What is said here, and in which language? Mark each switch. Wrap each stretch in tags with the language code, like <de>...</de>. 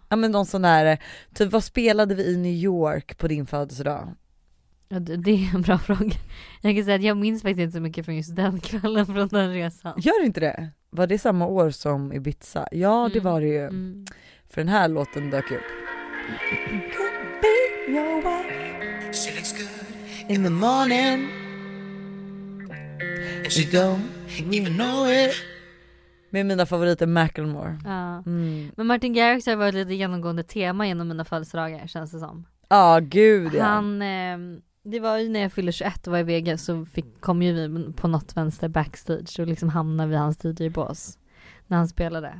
<sv>Ja, men någon sån här, typ vad spelade vi i New York på din födelsedag? Ja, det är en bra fråga. Jag kan säga att jag minns faktiskt inte så mycket från just den kvällen från den resan. Gör du inte det? Var det samma år som Ibiza? Ja, det var det ju. Mm. För den här låten dök upp.</sv> <en>your wife. She looks good in the morning. And she don't even know it.</en> <sv>Med mina favoriter Macklemore. Ja. Mm. Men Martin Garrix har varit lite genomgående tema genom mina födelsedagar, känns det som. Ja, ah, gud ja. Han, det var ju när jag fyllde 21 och var i Vegas, så fick, kom ju vi på något vänster backstage och liksom hamnade vid hans DJ boss när han spelade.</sv>